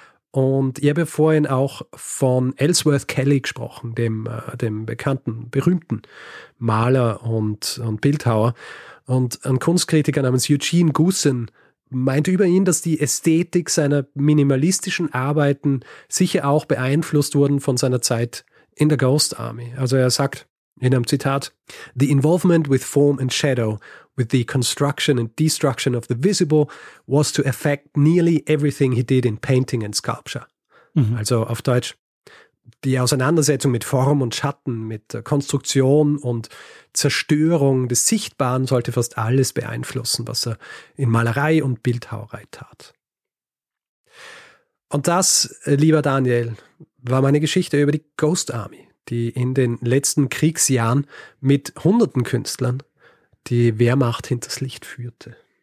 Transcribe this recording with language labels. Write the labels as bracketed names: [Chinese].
[German] Und ich habe ja vorhin auch von Ellsworth Kelly gesprochen, dem bekannten, berühmten Maler und Bildhauer. Und ein Kunstkritiker namens Eugene Goossen meinte über ihn, dass die Ästhetik seiner minimalistischen Arbeiten sicher auch beeinflusst wurden von seiner Zeit in der Ghost Army. Also er sagt in einem Zitat, [English] "The involvement with form and shadow, with the construction and destruction of the visible, was to affect nearly everything he did in painting and sculpture." Mhm. [German] Also auf Deutsch, die Auseinandersetzung mit Form und Schatten, mit Konstruktion und Zerstörung des Sichtbaren sollte fast alles beeinflussen, was er in Malerei und Bildhauerei tat. Und das, lieber Daniel, war meine Geschichte über die Ghost Army, die in den letzten Kriegsjahren mit hunderten Künstlern die Wehrmacht hinters Licht führte.